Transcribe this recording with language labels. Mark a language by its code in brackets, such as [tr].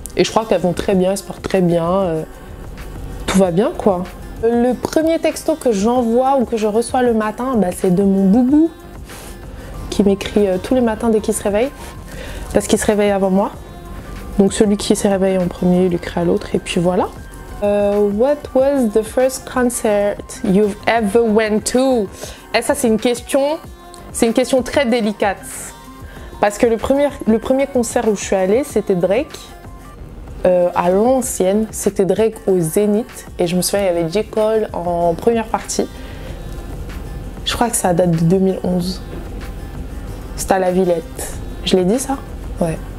[fr] Et je crois qu'elles vont très bien, elles se portent très bien. Tout va bien, quoi. Le premier texto que j'envoie ou que je reçois le matin, bah, c'est de mon boubou qui m'écrit tous les matins dès qu'il se réveille, parce qu'il se réveille avant moi. Donc celui qui se réveille en premier, il écrit à l'autre et puis voilà. [en] What was the first concert you've ever went to? [fr] Et ça, c'est une question très délicate. Parce que le premier concert où je suis allée, c'était Drake. À l'ancienne, c'était Drake au Zénith et je me souviens il y avait J. Cole en première partie. Je crois que ça date de 2011. C'était à la Villette. Je l'ai dit ça? Ouais.